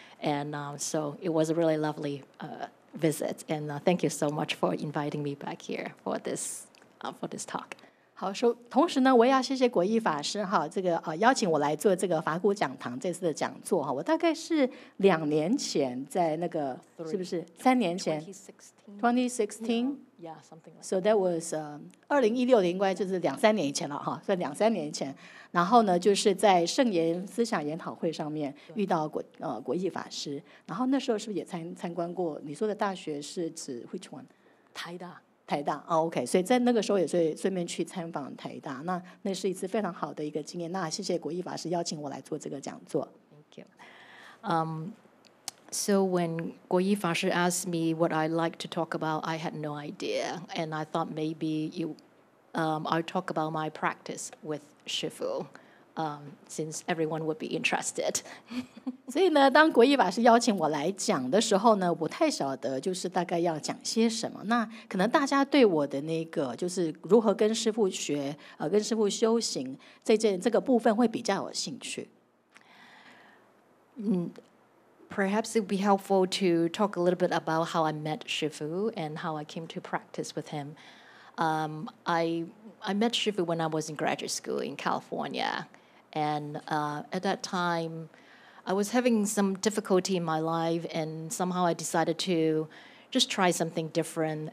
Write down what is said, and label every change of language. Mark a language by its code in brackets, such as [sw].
[en] And so it was a really lovely visit. And thank you so much for inviting me back here for this talk. [zh] 好，同时呢，我也要谢谢国义法师哈，这个邀请我来做这个法鼓讲堂这次的讲座哈。我大概是两年前在那个是不是三年前？2016 [en] Yeah, something like that. So that was 2016 [zh] 应该就是两三年以前了哈，算两三年以前。然后呢，就是在圣严思想研讨会上面遇到国义法师。然后那时候是不是也参观过？你说的大学是指 [en] which one？ [zh] 台大。台大、哦、OK， 所以在那个时候也顺便去参访台大，那是一次非常好的一个经验。那谢谢国义法师邀请我来做这个讲座。 [en] Thank you. So when 国义法师 asked me what I like to talk about, I had no idea, and I thought maybe I'll talk about my practice with 师父。 Since everyone would be interested. [zh] 所以呢，当国义法师邀请我来讲的时候呢，我太晓得就是大概要讲些什么。那可能大家对我的那个就是如何跟师父学，跟师父修行这个部分会比较有兴趣。 [en] Perhaps it would be helpful to talk a little bit about how I met 师父 and how I came to practice with him. I met 师父 when I was in graduate school in California. And at that time, I was having some difficulty in my life, and somehow I decided to just try something different.